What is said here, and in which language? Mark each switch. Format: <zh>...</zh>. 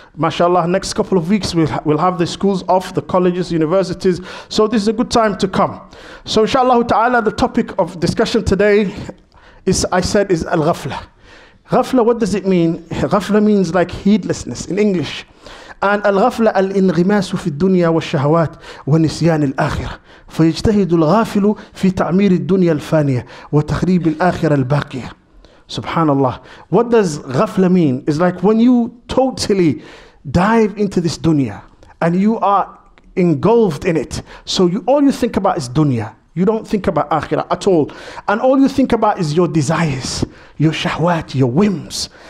<en>Mashallah, next couple of weeks, we'll have the schools off, the colleges, universities. So this is a good time to come. So inshallah ta'ala, the topic of discussion today is, I said, is al-ghafla. Ghafla, what does it mean? Ghafla means like heedlessness in English.</en> <ar>And الغفلة الانغماس في الدنيا والشهوات ونسيان الآخرة فيجتهد الغافل في تعمير الدنيا الفانية وتخريب الآخرة الباقية.</ar> <en>Subhanallah. What does ghafla mean? It's like when you totally dive into this dunya and you are engulfed in it. So you, all you think about is dunya. You don't think about akhirah at all. And all you think about is your desires, your shahwat, your whims.</en>